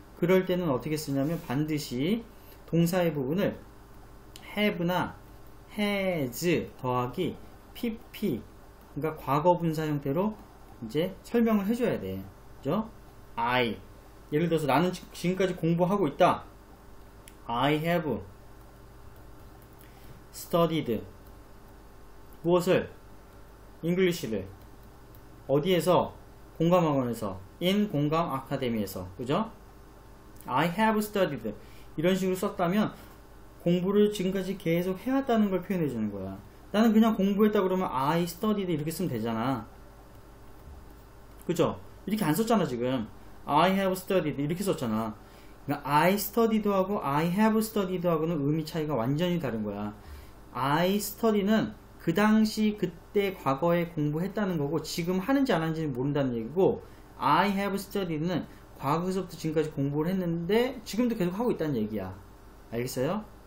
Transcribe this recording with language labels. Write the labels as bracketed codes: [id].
[ko] 그럴 때는 어떻게 쓰냐면 반드시 동사의 부분을 have나 has 더하기 pp 그러니까 과거분사 형태로 이제 설명을 해줘야 돼. 그죠? I 예를 들어서 나는 지금까지 공부하고 있다. [en] I have studied [ko] 무엇을? English를 어디에서? 공감학원에서 in 공감 아카데미에서 그죠? [en] I have studied [ko] 이런 식으로 썼다면 공부를 지금까지 계속 해왔다는 걸 표현해 주는 거야. 나는 그냥 공부했다 그러면 [en] I studied [ko] 이렇게 쓰면 되잖아. 그죠? 이렇게 안 썼잖아 지금. [en] I have studied [ko] 이렇게 썼잖아. 그러니까 [en] I studied [ko] 하고 [en] I have studied [ko] 하고는 의미 차이가 완전히 다른 거야. [en] I study [ko] 는 그 당시 그때 과거에 공부했다는 거고 지금 하는지 안 하는지는 모른다는 얘기고 [en] I have studied [ko] 는 과거에서부터 지금까지 공부를 했는데 지금도 계속 하고 있다는 얘기야. 알겠어요?